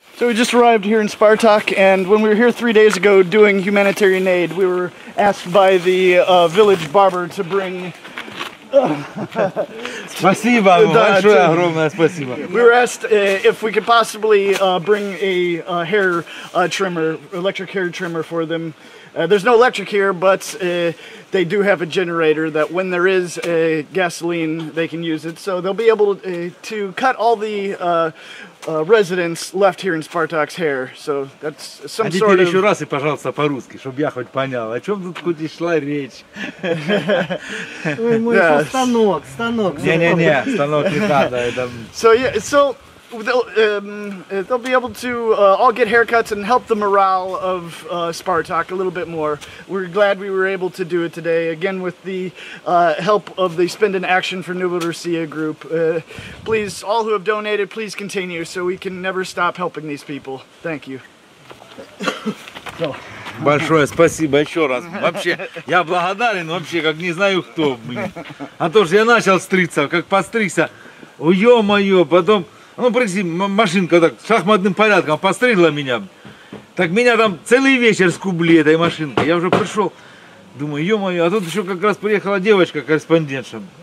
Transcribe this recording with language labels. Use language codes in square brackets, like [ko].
[en] So we just arrived here in Spartak, and when we were here 3 days ago doing humanitarian aid, we were asked by the village barber to bring... [ru] Спасибо, большое огромное спасибо. [en] We were asked if we could possibly bring a hair trimmer, electric hair trimmer for them. There's no electric here, but they do have a generator that when there is gasoline, they can use it. So they'll be able to cut all the residents left here in Spartak's hair. So that's some sort of... [ru] Теперь еще раз и, пожалуйста, по-русски, чтобы я хоть понял, о чем тут хоть и шла речь. Мой станок, станок. Не-не-не, станок не надо. [en] So, yeah, so... they'll be able to all get haircuts and help the morale of Spartak a little bit more. We're glad we were able to do it today, again with the help of the Spend in Action for Nova Russia group. Please, all who have donated, please continue so we can never stop helping these people. Thank you. So. [ru] Большое спасибо еще раз. Вообще, я благодарен вообще, как не знаю кто мне. А то, что я начал стриться, как постригся, ё-моё, потом... Ну, прости, машинка так шахматным порядком постригла меня. Так меня там целый вечер скубли этой машинкой. Я уже пришел, думаю, ё-моё, а тут еще как раз приехала девочка корреспондентша.